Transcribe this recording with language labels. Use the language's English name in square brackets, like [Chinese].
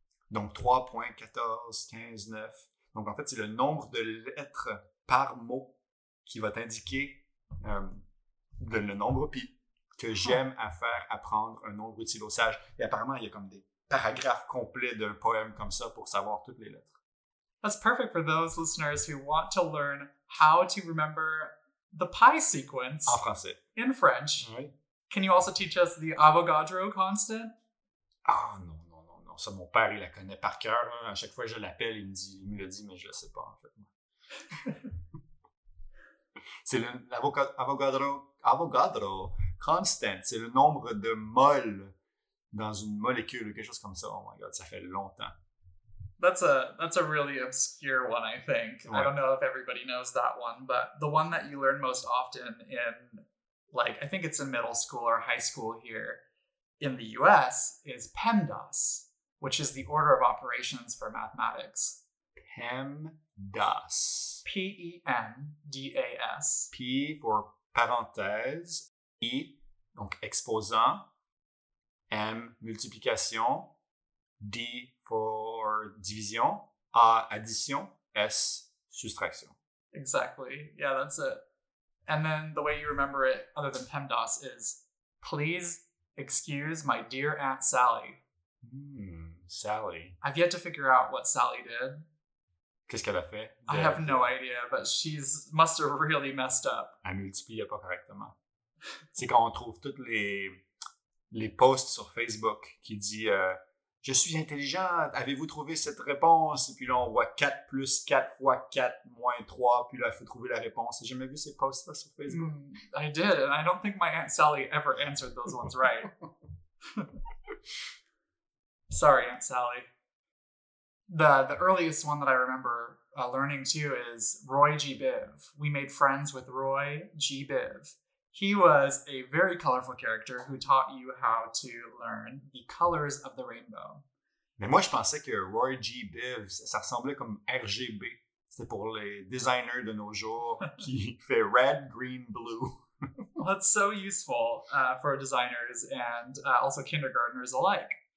[French] Donc 3, 14, 15, 9. Donc en fait, c'est le nombre de lettres par mot qui va t'indiquer le nombre pi. Que j'aime à faire apprendre un nombre utile au sage. Et apparemment, il y a comme des paragraphes complets d'un poème comme ça pour savoir toutes les lettres. [English] That's perfect for those listeners who want to learn how to remember the pi sequence. [French] En français. [English] In French. [French] Oui. [English] Can you also teach us the Avogadro constant? [French] Ah, non. Ça, mon père, il la connaît par cœur. Hein. À chaque fois que je l'appelle, il me le dit, mais je ne le sais pas, en fait. C'est l'Avogadro constant. C'est le nombre de moles dans une molécule ou quelque chose comme ça. [English] Oh my God, [French] ça fait longtemps. [English] That's a really obscure one, I think. Ouais. I don't know if everybody knows that one, but the one that you learn most often in... Like, I think it's in middle school or high school here in the U.S. is PEMDAS, which is the order of operations for mathematics. PEMDAS. P-E-M-D-A-S. P for [French] parenthèse. E, donc exposant. M, multiplication. [English] D for [French] division. A, addition. S, soustraction. [English] Exactly. Yeah, that's it. And then the way you remember it, other than PEMDAS, is please excuse my dear Aunt Sally. Sally. I've yet to figure out what Sally did. [French] Qu'est-ce qu'elle a fait? [English] I have no idea, but she's must have really messed up. [French] Elle multiplie pas correctement. C'est quand on trouve toutes les posts sur Facebook qui dit « Je suis intelligente, avez-vous trouvé cette réponse? » Et puis là, on voit 4 plus 4 fois 4 moins 3, puis là, il faut trouver la réponse. J'ai jamais vu ces posts-là sur Facebook. [English] I did, and I don't think my Aunt Sally ever answered those ones right. Sorry, Aunt Sally. The earliest one that I remember learning, too, is Roy G. Biv. We made friends with Roy G. Biv. He was a very colorful character who taught you how to learn the colors of the rainbow. [French] Mais moi, je pensais que Roy G. Biv, ça ressemblait comme RGB. C'était pour les designers de nos jours qui fait [English] red, green, blue. Well, that's so useful for designers and also kindergartners alike.